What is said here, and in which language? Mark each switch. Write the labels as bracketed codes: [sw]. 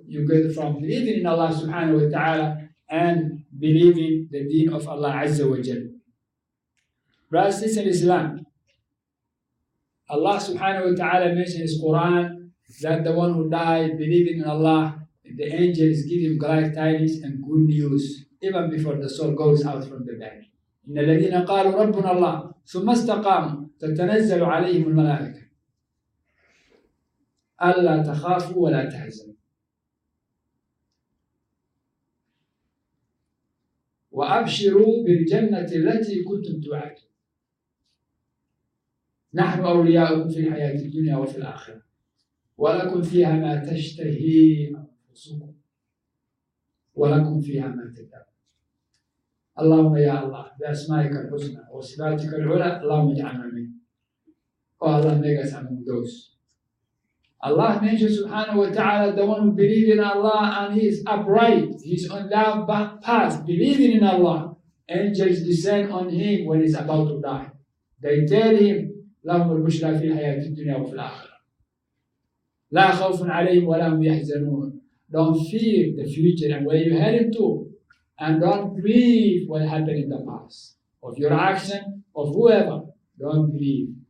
[en] You get from believing in Allah subhanahu wa ta'ala and believing the deen of Allah azza wa jal. Brothers, this is Islam. Allah subhanahu wa ta'ala mentioned in His Quran that the one who died believing in Allah, the angels give him glad tidings and good news even before the soul goes out from the body. [ar] إِنَّ الَّذِينَ قَالُوا رَبُّنَا اللَّهُ ثُمَّ اسْتَقَامُوا تَتَنَزَّلُ عَلَيْهِمُ الْمَلَائِكَةُ أَلَّا تَخَافُوا وَلَا تَحْزَنُوا وَأَبْشِرُوا بِالْجَنَّةِ الَّتِي كُنْتُمْ تُوعَدُونَ نَحْنُ أَوْلِيَاؤُكُمْ فِي الْحَيَاةِ الدُّنْيَا وَفِي الْآخِرَةِ وَلَكُمْ فِيهَا مَا تَشْتَهِي أَنفُسُكُمْ وَلَكُمْ فِيهَا مَا تَدَّعُونَ اللهم يا الله بأسمائك الحسنى وصفاتك العلى اللهم اجعلنا منه وهذا نجس عن المدوس الله منجي سبحانه وتعالى [en] the one who believes in Allah and he is upright, he is on that path believing in Allah. Angels descend on him when he is about to die, they tell him [ar] لهم البشرى في الحياة الدنيا وفي الآخرة لا خوف عليهم ولا هم يحزنون. [en] Don't fear the future and where you heading to, and don't grieve what happened in the past, of your action, of whoever. Don't grieve.